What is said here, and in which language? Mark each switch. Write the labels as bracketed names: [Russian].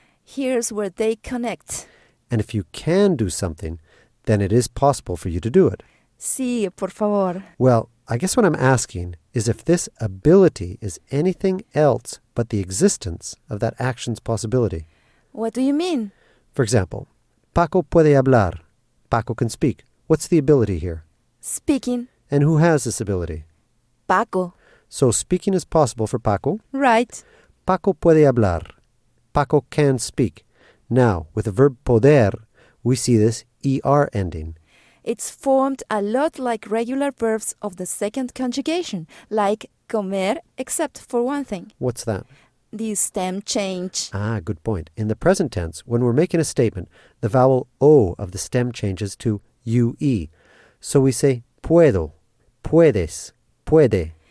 [English] Here's where they connect. And if you can do something, then it is possible for you to do it. [Spanish] Sí, por favor. [English] Well, I guess what I'm asking is if this ability is anything else but the existence of that action's possibility. What do you mean? For example, [Spanish] Paco puede hablar. [English] Paco can speak. What's the ability here? Speaking. And who has this ability? Paco. So speaking is possible for Paco? Right. [Spanish] Paco puede hablar. [English] Paco can speak. Now, with the verb poder, we see this ER ending. It's formed a lot like regular verbs of the second conjugation, like comer, except for one thing. What's that? The stem change. Ah, good point. In the present tense, when we're making a statement, the vowel O of the stem changes to UE. So we say puedo, puedes, puede.